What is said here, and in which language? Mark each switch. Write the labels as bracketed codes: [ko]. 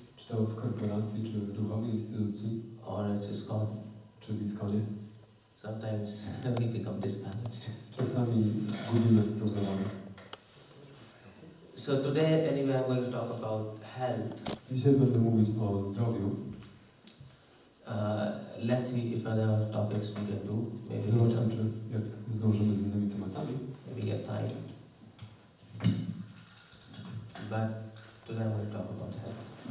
[pl] To w korporacji czy w duchowej instytucji, [en] or it's a school, [pl] czy w iskonie. [en] Sometimes we become disbalanced. [pl] Czasami gubimy problemy. [en] So today, anyway, I'm going to talk about health. [pl] Dzisiaj będę mówić o zdrowiu. [en] Let's see if other topics we can do. Maybe [pl] zobaczmy, czy jak zdążymy z innymi tematami. [en] Maybe get time. But today I'm going to talk about health.